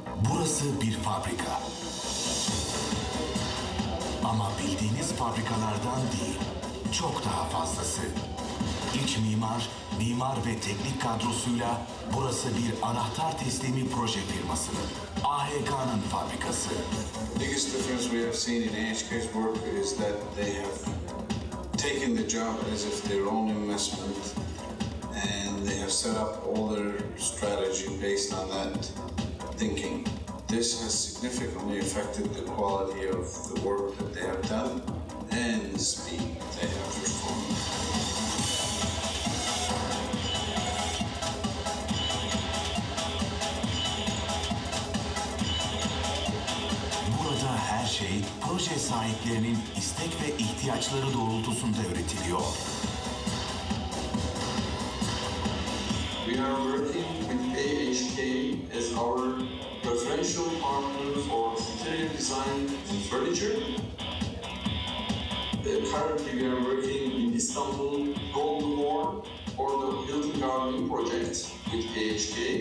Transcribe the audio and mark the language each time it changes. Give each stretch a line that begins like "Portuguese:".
Turkish: Burası bir fabrika. Ama bildiğiniz fabrikalardan değil, çok daha fazlası. İç mimar, mimar ve teknik kadrosuyla burası bir anahtar teslimi proje firması. AHK'nın fabrikası.
English: The biggest difference we have seen in AHK's work is that they have taken the job as if their own investment and they have set up all their strategy based on that thinking. This has significantly affected the quality of the work that they have done and the speed they have performed.
Turkish: Şey, proje sahiplerinin istek ve ihtiyaçları doğrultusunda üretiliyor.
English: We are working with AHK as our preferential partner for interior design and furniture. Currently we are working in Istanbul, Golden Horn for the Hilton Garden project with AHK.